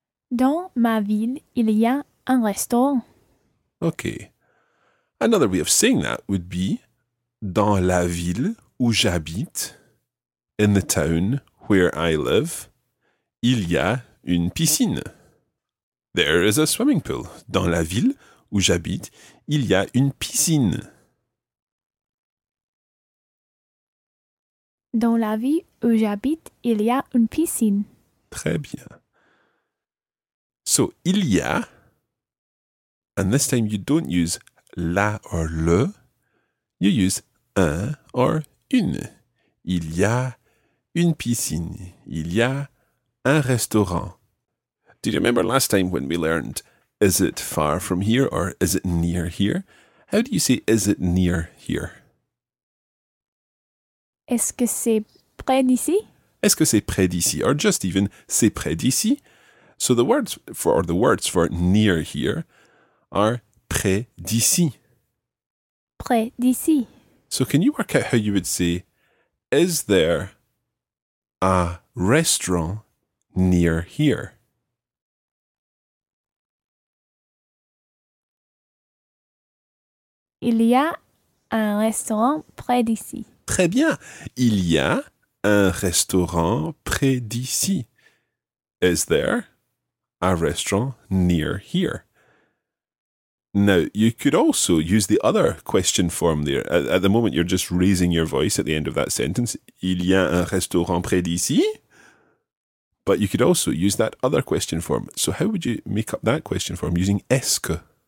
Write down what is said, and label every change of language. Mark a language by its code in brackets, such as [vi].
[fr] Dans ma ville, il y a un restaurant. [en] Okay. Another way of saying that would be [fr] dans la ville où j'habite, [en] in the town where I live, [fr] il y a une piscine. [en] There is a swimming pool. [fr] Dans la ville où j'habite, il y a une piscine. Dans la ville où j'habite, il y a une piscine. Très bien. [en] So, il y a, and this time you don't use la or le, you use un or une. [fr] Il y a une piscine. Il y a un restaurant. [en] Did you remember last time when we learned, is it far from here or is it near here? How do you say, is it near here? [fr] Est-ce que c'est près d'ici? Est-ce que c'est près d'ici? [en] Or just even, [fr] c'est près d'ici? [en] So the words for near here are près d'ici. [fr] Près d'ici. [en] So can you work out how you would say, is there a restaurant near here? [fr] Il y a un restaurant près d'ici. Très bien. Il y a un restaurant près d'ici. [en] Is there a restaurant near here? Now, you could also use the other question form there. At the moment, you're just raising your voice at the end of that sentence. [fr] Il y a un restaurant près d'ici? [en] But you could also use that other question form. So how would you make up that question form using est-ce que?